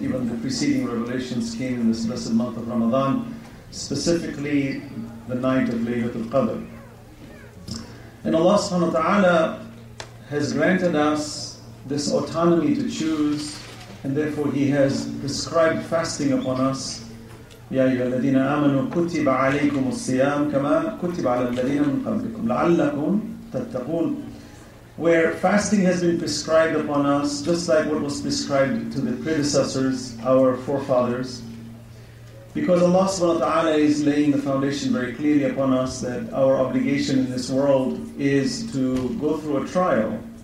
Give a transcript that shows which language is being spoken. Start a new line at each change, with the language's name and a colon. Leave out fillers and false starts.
English: Even the preceding revelations came in this blessed month of Ramadan, specifically the night of Laylatul Qadr. And Allah subhanahu wa ta'ala has granted us this autonomy to choose, and therefore He has prescribed fasting upon us.
Arabic: يا أيها الذين آمنوا كتب عليكم الصيام كما كتب على الذين من قبلكم لعلكم تتقون.
English: Where fasting has been prescribed upon us, just like what was prescribed to the predecessors, our forefathers, because Allah subhanahu wa ta'ala is laying the foundation very clearly upon us that our obligation in this world is to go through a trial.